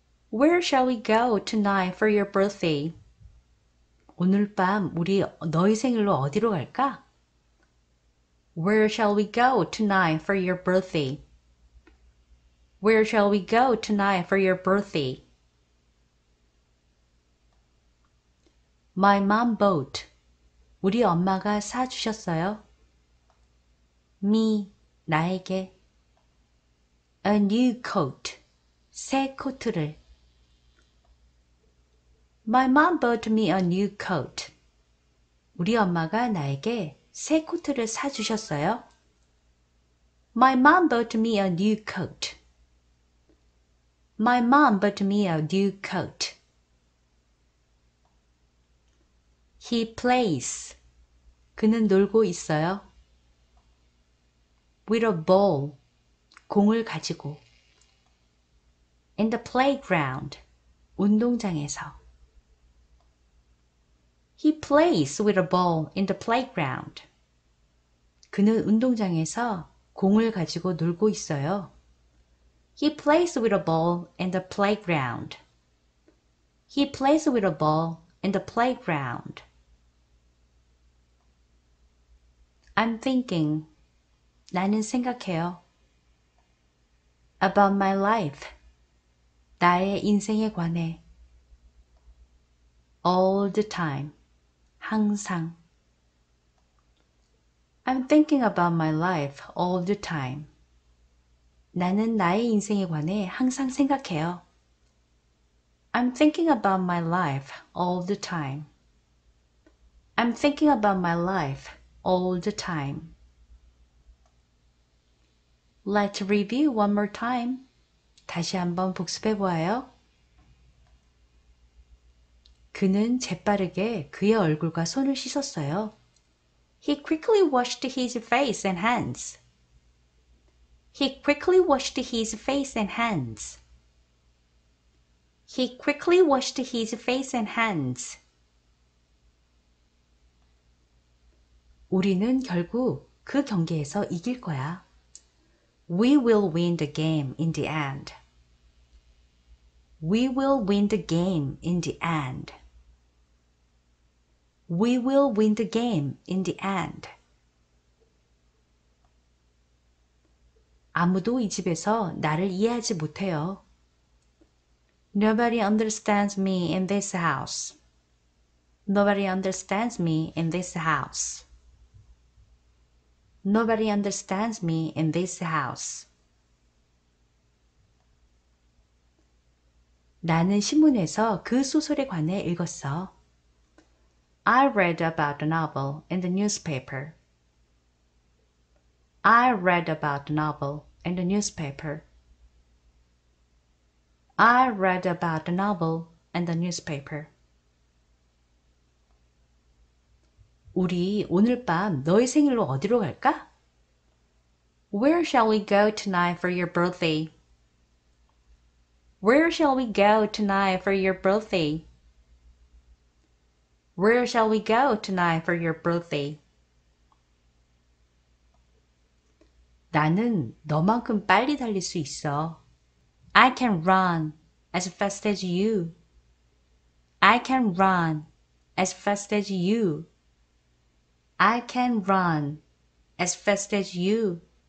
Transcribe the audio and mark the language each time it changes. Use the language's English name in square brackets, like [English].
[English] Where shall we go tonight for your birthday? [Korean] 오늘 밤 우리 너의 생일로 어디로 갈까? [English] Where shall we go tonight for your birthday? Where shall we go tonight for your birthday? My mom bought. [Korean] 우리 엄마가 사주셨어요. [English] Me, [Korean] 나에게. [English] A new coat. [Korean] 새 코트를. [English] My mom bought me a new coat. [Korean] 우리 엄마가 나에게 새 코트를 사주셨어요. [English] My mom bought me a new coat. My mom bought me a new coat. He plays. [Korean] 그는 놀고 있어요. [English] With a ball. [Korean] 공을 가지고. [English] In the playground. [Korean] 운동장에서. [English] He plays with a ball in the playground. [Korean] 그는 운동장에서 공을 가지고 놀고 있어요. [English] He plays with a ball in the playground. He plays with a ball in the playground. I'm thinking. [Korean] 나는 생각해요. [English] About my life. [Korean] 나의 인생에 관해. [English] All the time. [Korean] 항상. [English] I'm thinking about my life all the time. [Korean] 나는 나의 인생에 관해 항상 생각해요. [English] I'm thinking about my life all the time. I'm thinking about my life all the time. Let's review one more time. [Korean] 다시 한번 복습해 보아요. 그는 재빠르게 그의 얼굴과 손을 씻었어요. [English] He quickly washed his face and hands. He quickly washed his face and hands. He quickly washed his face and hands. [Korean] 우리는 결국 그 경기에서 이길 거야. [English] We will win the game in the end. We will win the game in the end. We will win the game in the end. [Korean] 아무도 이 집에서 나를 이해하지 못해요. [English] Nobody understands me in this house. Nobody understands me in this house. Nobody understands me in this house. [Korean] 나는 신문에서 그 소설에 관해 읽었어. [English] I read about the novel in the newspaper. I read about the novel in the newspaper. I read about the novel in the newspaper. [Korean] 우리 오늘 밤 너의 생일로 어디로 갈까? [English] Where shall we go tonight for your birthday? Where shall we go tonight for your birthday? Where shall we go tonight for your birthday? [Korean] 나는 너만큼 빨리 달릴 수 있어. [English] I can run as fast as you. I can run as fast as you. I can run as fast as you.